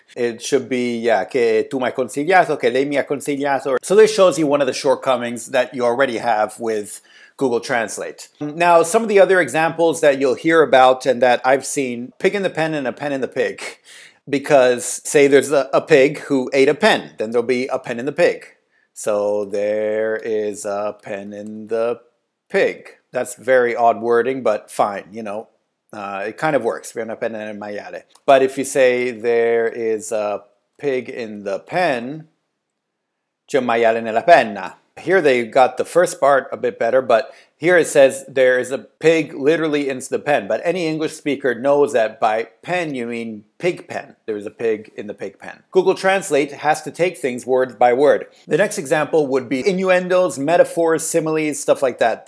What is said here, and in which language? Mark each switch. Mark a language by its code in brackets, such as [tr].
[en] It should be, yeah, [it] che tu mi hai consigliato, che lei mi ha consigliato. [en] So this shows you one of the shortcomings that you already have with Google Translate. Now, some of the other examples that you'll hear about and that I've seen, pig in the pen and a pen in the pig. Because, say there's a pig who ate a pen, then there'll be a pen in the pig. So there is a pen in the pig. That's very odd wording, but fine, you know, it kind of works. But if you say there is a pig in the pen, [it] c'è un maiale nella penna. [en] Here they got the first part a bit better, but here it says there is a pig literally in the pen. But any English speaker knows that by pen you mean pig pen. There is a pig in the pig pen. Google Translate has to take things word by word. The next example would be innuendos, metaphors, similes, stuff like that.